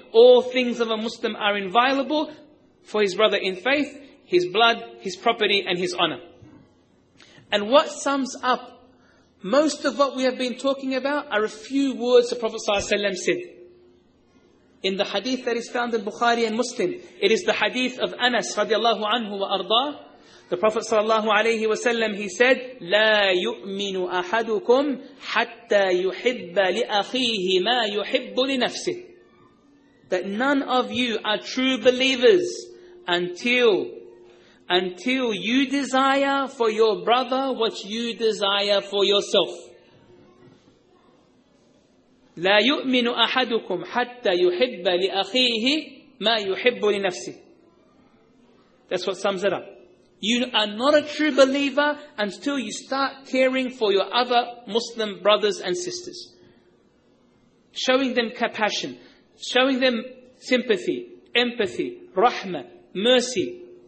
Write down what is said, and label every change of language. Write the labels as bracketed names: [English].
[English] All things of a Muslim are inviolable for his brother in faith, his blood, his property, and his honor. And what sums up most of what we have been talking about are a few words the Prophet ﷺ said. In the hadith that is found in Bukhari and Muslim, it is the hadith of Anas radiallahu anhu wa arda. The Prophet ﷺ, he said, [Arabic] لا يؤمن أحدكم حتى يحب لأخيه ما يحب لنفسه. [English] That none of you are true believers until you desire for your brother what you desire for yourself. [Arabic] لا يؤمن أحدكم حتى يحب لأخيه ما يحب لنفسه. [English] That's what sums it up. You are not a true believer until you start caring for your other Muslim brothers and sisters. Showing them compassion, showing them sympathy, empathy, rahmah, mercy.